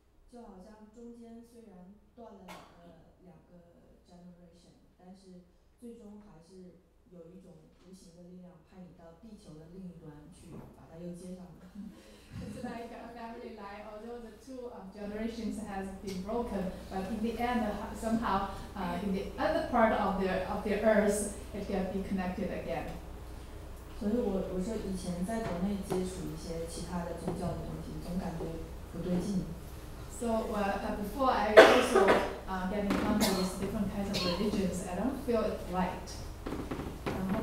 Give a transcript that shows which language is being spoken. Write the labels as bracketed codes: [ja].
[zh] 就好像中间虽然断了两个 generation， 但是最终还是有一种无形的力量派你到地球的另一端去，把它又接上了。 [en] It's like a family line, although the two generations has been broken, but in the end, somehow, in the other part of the earth, it can be connected again. [zh] 所以我说以前在国内接触一些其他的宗教的东西，总感觉不对劲。 [en] So before I also get in contact with different kinds of religions, I don't feel it right.